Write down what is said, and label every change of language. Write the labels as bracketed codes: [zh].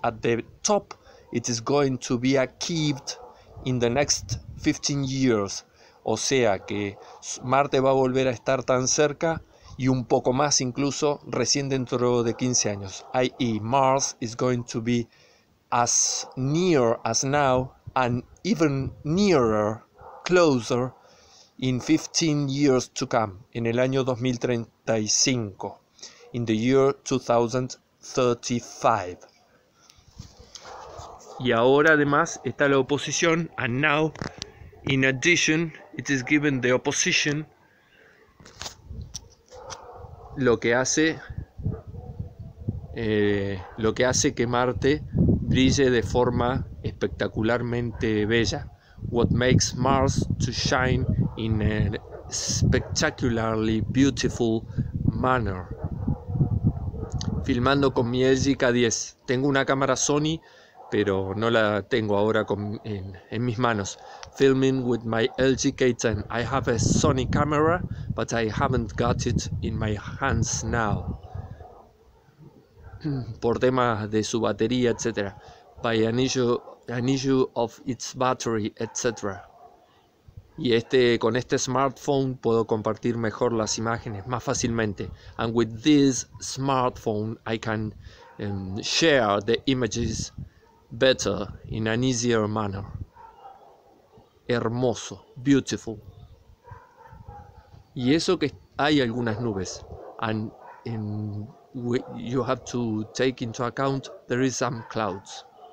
[en] At the top, it is going to be achieved in the next 15 years. [es] O sea que Marte va a volver a estar tan cerca y un poco más incluso recién dentro de 15 años. [en] I.e., Mars is going to be as near as now and even nearer, closer, in 15 years to come, [es] en el año 2035, [en] in the year 2035. [es] Y ahora además está la oposición, [en] and now, in addition, it is given the opposition, [es] lo que hace que Marte brille de forma espectacularmente bella. [en] What makes Mars to shine in a spectacularly beautiful manner. [es] Filmando con mi Yeti K10. Tengo una cámara Sony, pero no la tengo ahora en mis manos. [en] Filming with my LG K10. I have a Sony camera, but I haven't got it in my hands now. [es] Por temas de su batería, etc. [en] By an issue of its battery, etc. [es] Y con este smartphone puedo compartir mejor las imágenes, más fácilmente. [en] And with this smartphone, I can share the images better, in an easier manner. [es] Hermoso, [en] beautiful. [es] Y eso que hay algunas nubes. [en] And you have to take into account there is some clouds.